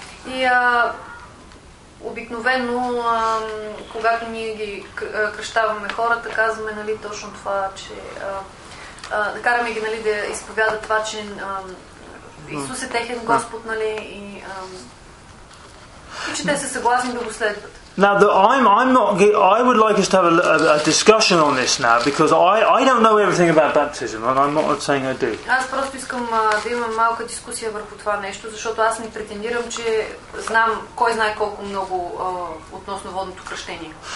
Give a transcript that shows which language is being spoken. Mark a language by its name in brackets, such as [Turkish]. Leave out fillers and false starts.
[Bulgarian] И обикновено, когато ние ги кръщаваме хората, казваме, нали, точно това, че да караме ги, нали, да изповядат това, че Исус е техен Господ, нали, и че те са съгласни да го следват. [English] Now I would like us to have a discussion on this now, because I don't know everything about baptism and I'm not saying I do. [Bulgarian] Аз просто искам да имам малка дискусия върху това нещо, защото аз не претендирам, че знам кой знае колко много относно водното кръщение.